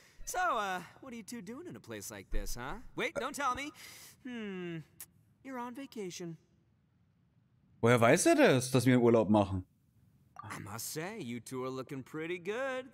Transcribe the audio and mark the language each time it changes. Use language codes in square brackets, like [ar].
[en] So, what are you two doing in a place like this, huh? Wait, don't tell me. You're on vacation. [de] Woher weiß er das, dass wir Urlaub machen? [en] I must say, you two are looking pretty good.